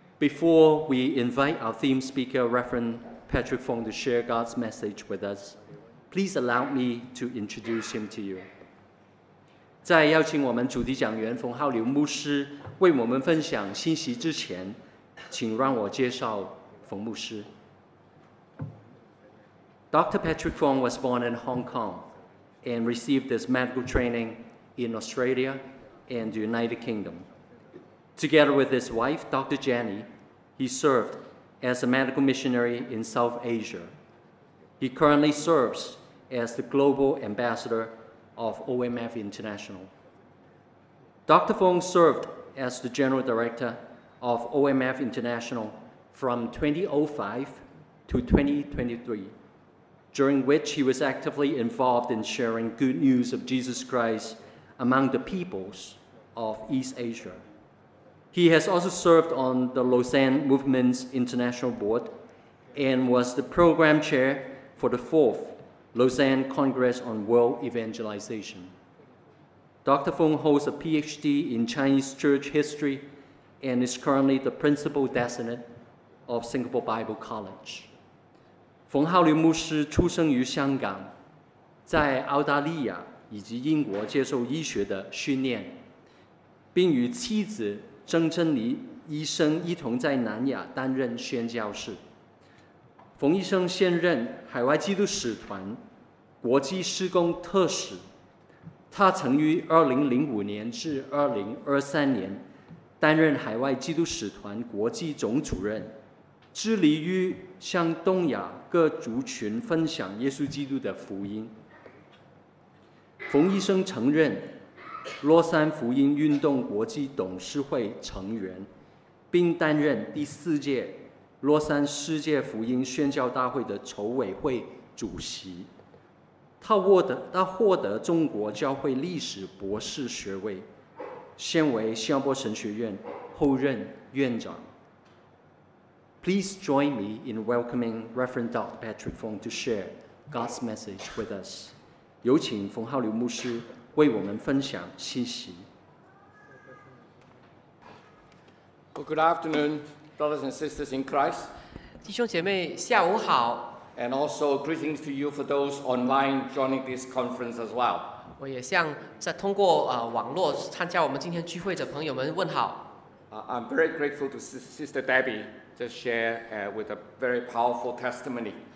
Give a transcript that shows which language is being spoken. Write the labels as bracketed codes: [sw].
[en] Before we invite our theme speaker, Reverend Patrick Fong, to share God's message with us, please allow me to introduce him to you. [zh] 在邀请我们主题讲员冯浩流牧师为我们分享信息之前，请让我介绍冯牧师。 [en] Dr. Patrick Fong was born in Hong Kong and received his medical training in Australia and the United Kingdom. Together with his wife, Dr. Jenny, he served as a medical missionary in South Asia. He currently serves as the global ambassador of OMF International. Dr. Fong served as the general director of OMF International from 2005 to 2023, during which he was actively involved in sharing good news of Jesus Christ among the peoples of East Asia. He has also served on the Lausanne Movement's International Board and was the program chair for the 4th Lausanne Congress on World Evangelization. Dr. Fong holds a PhD in Chinese Church History and is currently the principal designate of Singapore Bible College. [zh] 冯浩流牧师出生于香港，在澳大利亚以及英国接受医学的训练，并与妻子曾珍妮医生一同在南亚担任宣教士。冯医生现任海外基督使团国际施工特使，他曾于2005年至2023年担任海外基督使团国际总主任，致力于向东亚各族群分享耶稣基督的福音。冯医生承认洛杉福音运动国际董事会成员，并担任第四届洛杉世界福音宣教大会的筹委会主席。他获得中国教会历史博士学位，现为新加坡神学院后任院长。 [en] Please join me in welcoming Reverend Dr. Patrick Fong to share God's message with us. [zh] 有请冯浩流牧师为我们分享信息。 [en] Well, good afternoon, brothers and sisters in Christ. [zh] 弟兄姐妹，下午好。 [en] And also greetings to you for those online joining this conference as well. [zh] 我也向在通过网络参加我们今天聚会的朋友们问好。 [en] I'm very grateful to Sister Debbie just share with a very powerful testimony.